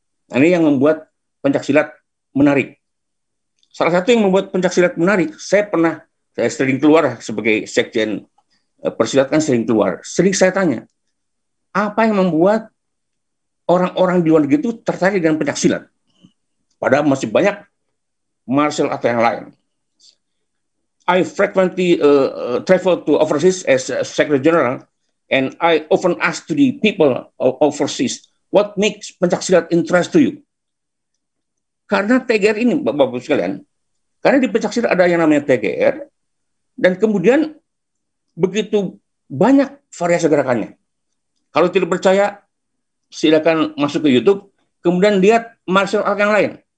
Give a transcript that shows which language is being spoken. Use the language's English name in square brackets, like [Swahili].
[Indonesian] Nah, ini yang membuat pencak silat menarik. Salah satu yang membuat pencak silat menarik, saya sering keluar sebagai sekjen persilat, kan sering keluar. Sering saya tanya, apa yang membuat orang-orang di luar negeri itu tertarik dengan pencak silat? Padahal masih banyak martial art yang lain. [English] I frequently travel to overseas as Secretary General, and I often ask to the people of overseas, what makes pencak silat interest to you? [Indonesian] Karena TGR ini, Bapak-Ibu sekalian, karena di pencak silat ada yang namanya TGR, dan kemudian begitu banyak variasi gerakannya. Kalau tidak percaya, silakan masuk ke YouTube, kemudian lihat martial art yang lain.